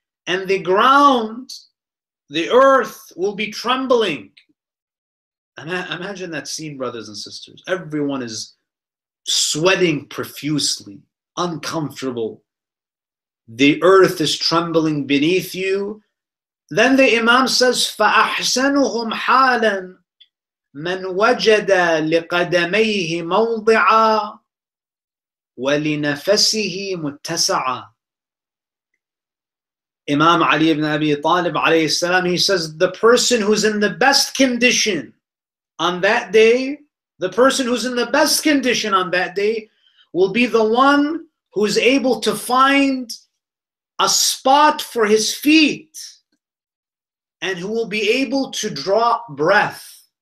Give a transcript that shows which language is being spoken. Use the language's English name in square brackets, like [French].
[English] And the ground, the earth, will be trembling. Imagine that scene, brothers and sisters. Everyone is sweating profusely, uncomfortable. The earth is trembling beneath you. Then the Imam says, [Arabic] فَأَحْسَنُهُمْ حَالًا مَنْ وَجَدَ لِقَدَمَيْهِ مَوْضِعًا وَلِنَفَسِهِ مُتَّسَعًا. [English] Imam Ali ibn Abi Talib alayhi salam, he says, the person who's in the best condition on that day, the person who's in the best condition on that day will be the one who's able to find a spot for his feet and who will be able to draw breath.